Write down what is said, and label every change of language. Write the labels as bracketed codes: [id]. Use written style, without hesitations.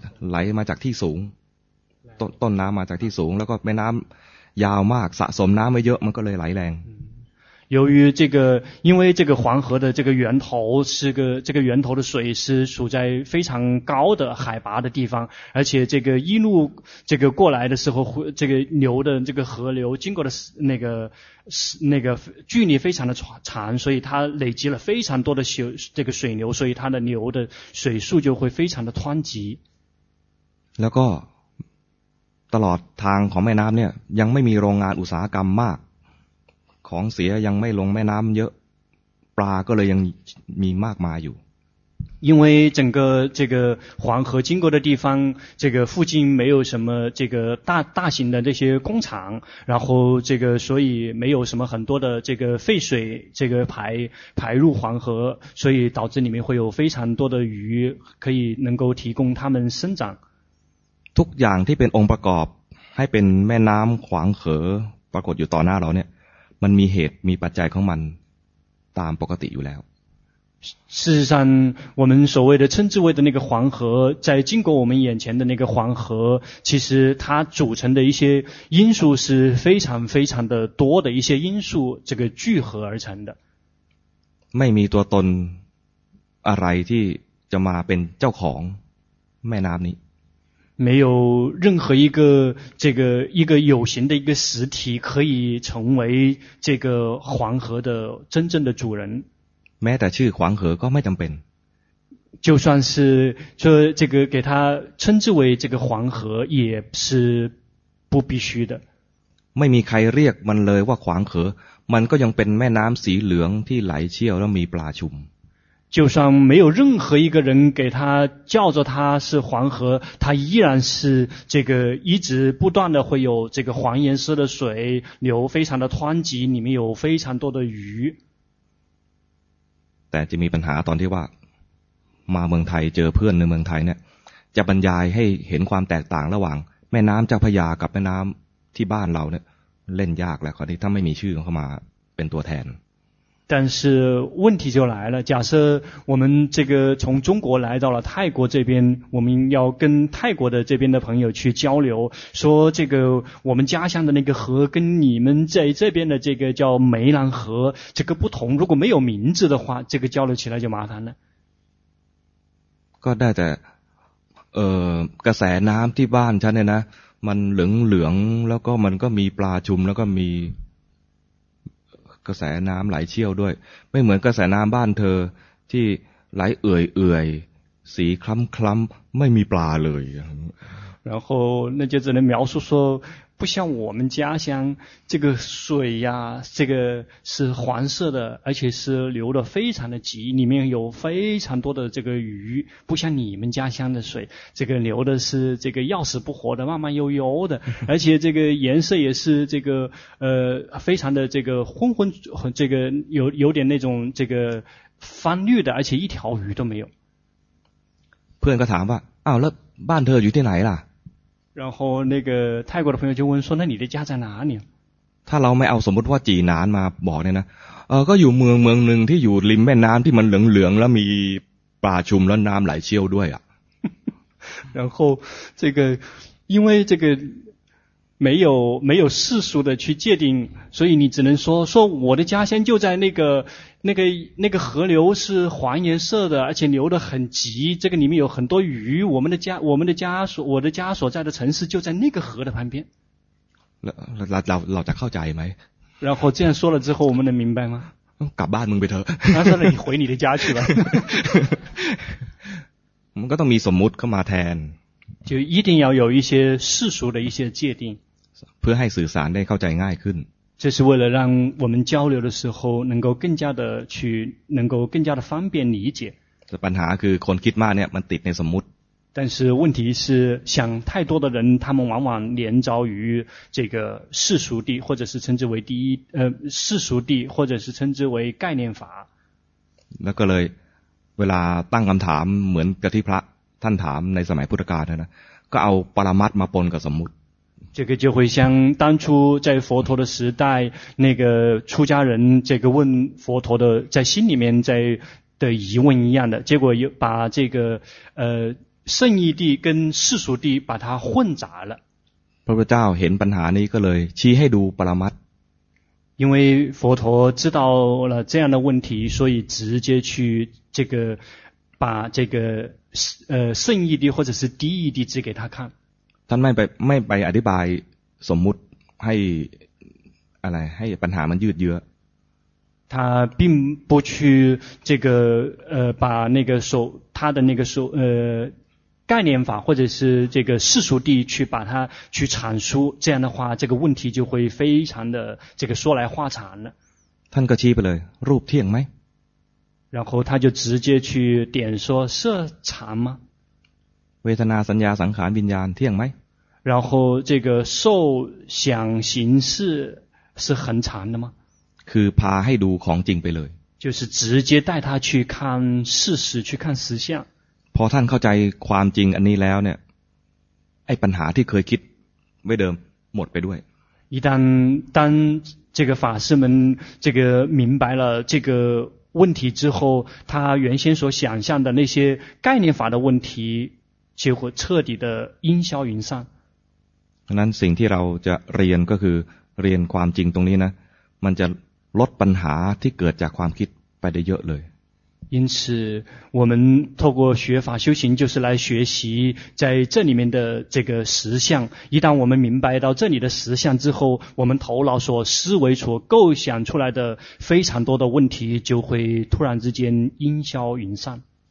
[th] 来จากที่สูงต้นน้ำมาจากที่สูงแล้วก็แม่น้ำยาวมากสะสมน้ำไว้เยอะมันก็เลยไหลแรง [zh] 由于这个因为这个黄河的这个源头是个这个源头的水是处在非常高的海拔的地方而且这个一路这个过来的时候这个流的这个河流经过的那个距离非常的长所以它累积了非常多的这个水流所以它的流的水速就会非常的湍急 [th] แล้วก็ตลอดทางของแม่น้ำเนี่ยยังไม่มีโรงงานอุตสาหกรรมมากของเสียยังไม่ลงแม่น้ำเยอะปลาก็เลยยังมีมากมายอยู่ [zh] 因为整个这个黄河经过的地方这个附近没有什么这个大型的那些工厂然后这个所以没有什么很多的这个废水这个排入黄河所以导致里面会有非常多的鱼可以能够提供它们生长 [th] ทุกอย่างที่เป็นองค์ประกอบให้เป็นแม่น้ำขวางเขอปรากฏอยู่ต่อหน้าเราเนี่ยมันมีเหตุมีปัจจัยของมันตามปกติอยู่แล้ว [zh] 事实上我们所谓的称之为的那个黄河在经过我们眼前的那个黄河其实它组成的一些因素是非常非常的多的一些因素这个聚合而成的 [th] ไม่มีตัวตนอะไรที่จะมาเป็นเจ้าของแม่น้ำนี้ [zh] 没有任何一个这个一个有形的一个实体可以成为这个黄河的真正的主人。 [th] แม้แต่ชื่อขวางเหอก็ไม่จำเป็น。 [zh] 就算是说这个给他称之为这个黄河也是不必须的。 [th] ไม่มีใครเรียกมันเลยว่าขวางเหอมันก็ยังเป็นแม่น้ำสีเหลืองที่ไหลเชี่ยวแล้วมีปลาชุม。 [zh] 就算没有任何一个人给他叫做他是黄河他依然是这个一直不断的会有这个黄颜色的水流非常的湍急里面有非常多的鱼 [th] แต่จะมีปัญหาตอนที่ว่ามาเมืองไทยเจอเพื่อนในเมืองไทยเนี่ยจะบรรยายให้เห็นความแตกต่างระหว่างแม่น้ำเจ้าพระยากับแม่น้ำที่บ้านเราเนี่ยเล่นยากแหละคราวนี้ถ้าไม่มีชื่อเข้ามาเป็นตัวแทน [zh] 但是问题就来了假设我们这个从中国来到了泰国这边我们要跟泰国的这边的朋友去交流说这个我们家乡的那个河跟你们在这边的这个叫梅兰河这个不同如果没有名字的话这个交流起来就麻烦了 [th] ก็ได้แต่กระแสน้ำที่บ้านฉันเนี่ยนะมันเหลืองๆแล้วก็มันก็มีปลาชุมแล้วก็มีกระแสน้ำไหลเชี่ยวด้วยไม่เหมือนกระแสน้ำบ้านเธอที่ไหลเอื่อยๆสีคล้ำๆไม่มีปลาเลย [zh] 然后那就只能描述说不像我们家乡这个水呀、这个是黄色的而且是流得非常的急里面有非常多的这个鱼不像你们家乡的水这个流的是这个要死不活的慢慢悠悠的而且这个颜色也是这个非常的这个昏昏这个有点那种这个翻绿的而且一条鱼都没有 [th] เพื่อนก็ถามว่าอ้าวแล้วบ้านเธออยู่ที่ไหนล่ะ [zh] 然后那个泰国的朋友就问说那你的家在哪里 [th] ถ้าเราไม่เอาสมมติว่าจีนานมาบอกเนี่ยนะก็อยู่เมืองหนึ่งที่อยู่ริมแม่น้ำที่มันเหลืองๆแล้วมีปลาชุมแล้วน้ำไหลเชี่ยวด้วยอ่ะ [zh] 然后这个因为这个没有世俗的去界定所以你只能说我的家乡就在那个河流是黄颜色的而且流得很急这个里面有很多鱼我的家所在的城市就在那个河的旁边老在靠家也没然后这样说了之后我们能明白吗搞半门被他他说你回你的家去吧我们都没什么可麻烦就一定要有一些世俗的一些界定 ส [th] เพื่อให้สื่อสารได้เข้าใจง่ายขึ้น [zh] 这是为了让我们交流的时候能够更加的去能够更加的方便理解 [th] แต่ปัญหาคือคนคิดมากเนี่ยมันติดในสมมุติ [zh] 但是问题是想太多的人他们往往连着于这个世俗地或者是称之为第一世俗地或者是称之为概念法 [th] แล้วก็เลยเวลาตั้งคำถามเหมือนกับที่พระท่านถามในสมัยพุทธกาลนะก็เอาปรมัตถ์มาปนกับสมมุติ [zh] 这个就会像当初在佛陀的时代那个出家人这个问佛陀的在心里面在的疑问一样的结果又把这个圣义地跟世俗地把它混杂了 [th] พระพุทธเจ้าเห็นปัญหานี้ก็เลยชี้ให้ดูปรมัตถ์ [zh] 因为佛陀知道了这样的问题所以直接去这个把这个圣义地或者是低义地指给他看 [th] ท่านไม่ไปอธิบายสมมุติให้อะไรให้ปัญหามันยืดเยื้อ [zh] 他并不去这个把那个所他的那个所概念法或者是这个世俗地去把它去阐述这样的话这个问题就会非常的这个说来话长了 [th] ท่านก็ชี้ไปเลยรูปเที่ยงไหม [zh] 然后他就直接去点说色常吗 [th] เวทนาสัญญาสังขารวิญญาณเที่ยงไหม [zh] 然后这个受想行识是恒常的吗 [th] คือพาให้ดูของจริงไปเลย [zh] 就是直接带他去看事实去看实相 [th] พอท่านเข้าใจความจริงอันนี้แล้วเนี่ยไอ้ปัญหาที่เคยคิดไม่เดิมหมดไปด้วย [zh] 一旦当这个法师们这个明白了这个问题之后他原先所想象的那些概念法的问题结果彻底的烟消云散 [th] ฉะนั้นสิ่งที่เราจะเรียนก็คือเรียนความจริงตรงนี้นะมันจะลดปัญหาที่เกิดจากความคิดไปได้เยอะเลย [zh] 因此我们透过学法修行就是来学习在这里面的这个实相一旦我们明白到这里的实相之后我们头脑所思维所构想出来的非常多的问题就会突然之间烟消云散